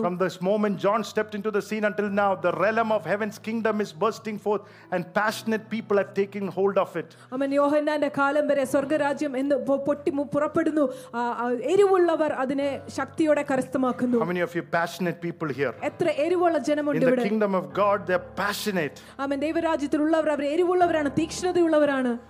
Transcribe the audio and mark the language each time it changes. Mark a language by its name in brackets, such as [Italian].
[English] from this moment John stepped into the scene until now the realm of heaven's kingdom is bursting forth and passionate people have taken hold of it. [Malayalam] അമേൻ. യോഹന്നാന്റെ കാലം വരെ സ്വർഗ്ഗരാജ്യം എന്ന് പൊട്ടി പുറപ്പെടുന്നു, എരിവുള്ളവർ അതിനെ ശക്തിയോടെ കരസ്ഥമാക്കുന്നു. [English] How many of you passionate people here? [Malayalam] എത്ര എരിവുള്ള ജനമുണ്ട് ഇവിടെ. [English] In the kingdom of God they are passionate. [Malayalam] Amen. ദൈവരാജ്യത്തിലുള്ളവർ our എരിവുള്ളവരാണ്, തീക്ഷ്ണതയുള്ളവരാണ്.